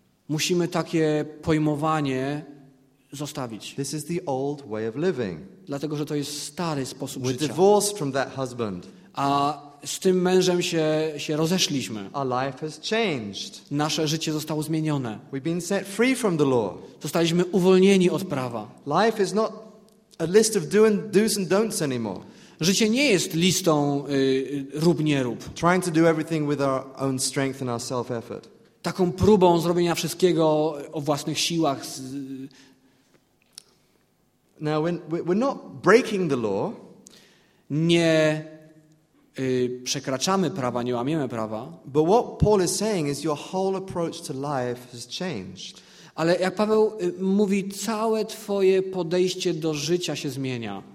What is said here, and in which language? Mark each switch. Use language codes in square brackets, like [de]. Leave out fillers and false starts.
[pl] Musimy takie pojmowanie zostawić. [en] This is the old way of living. [pl] Dlatego, że to jest stary sposób [en] We're [pl] życia. [en] We're divorced from that husband. [pl] A z tym mężem się rozeszliśmy. [en] Our life has changed. [pl] Nasze życie zostało zmienione. [en] We've been set free from the law. [pl] Zostaliśmy uwolnieni od prawa. [en] Life is not a list of do's and don'ts anymore. [pl] Życie nie jest listą rób, nie rób. [en] Trying to do everything with our own strength and our self-effort. [pl] Taką próbą zrobienia wszystkiego o własnych siłach. [en] Now, when we're not breaking the law, [pl] nie przekraczamy prawa, nie łamiemy prawa. [en] But what Paul is saying is your whole approach to life has changed. [pl] Ale jak Paweł mówi, całe twoje podejście do życia się zmienia.